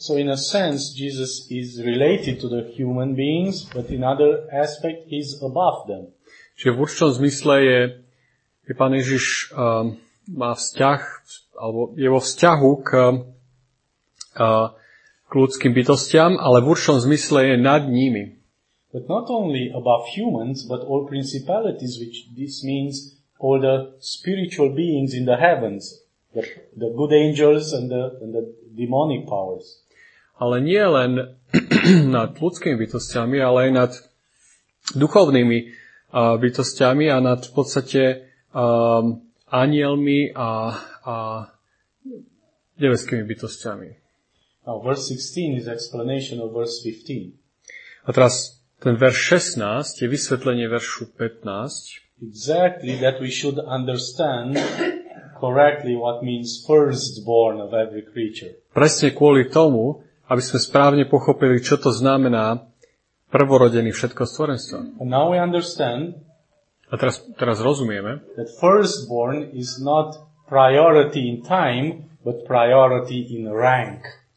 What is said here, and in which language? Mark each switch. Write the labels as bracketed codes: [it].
[en] So in a sense Jesus is related to the human beings, but in other aspect he's above them. [sk] Čiže v určitom zmysle je Pán Ježiš má vzťah alebo je vo vzťahu k ľudským bytostiam, ale v určitom zmysle je nad nimi. [en] But not only above humans, but all principalities, which this means all the spiritual beings in the heavens, the good angels and the demonic powers. [sk] Ale nie len nad ľudskými bytostiami, ale aj nad duchovnými bytostiami a nad v podstate anielmi a nebeskými bytostiami. [en] Now, verse 16 is explanation of verse 15. [sk] A teraz ten verš 16 je vysvetlenie veršu 15. [en] exactly that we should understand correctly what means firstborn of every creature. [sk] Presne kvôli tomu, aby sme správne pochopili, čo to znamená prvorodený všetko stvorenstva. [en] And now we understand. [sk] A teraz rozumieme. [en] That firstborn is not priority in time, but priority in rank.